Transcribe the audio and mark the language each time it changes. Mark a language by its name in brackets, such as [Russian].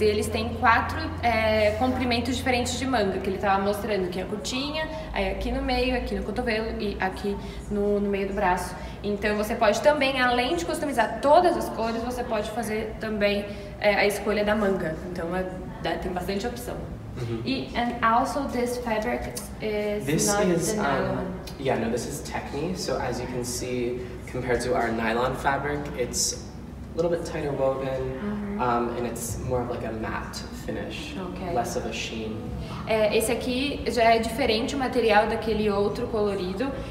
[Portuguese] E eles têm quatro comprimentos diferentes de manga, que ele tava mostrando, que é curtinha, aí aqui no meio, aqui no cotovelo e aqui no meio do braço. Então você pode também, além de customizar todas as cores, você pode fazer também a escolha da manga. Então tem bastante opção. [English] Mm-hmm. And also this fabric This is Techni, so as you can see, compared to our nylon fabric, it's a little bit tighter woven, mm-hmm. And it's more of like a matte finish, okay. Less of a sheen. [Portuguese] Esse aqui já é diferente o material daquele outro colorido.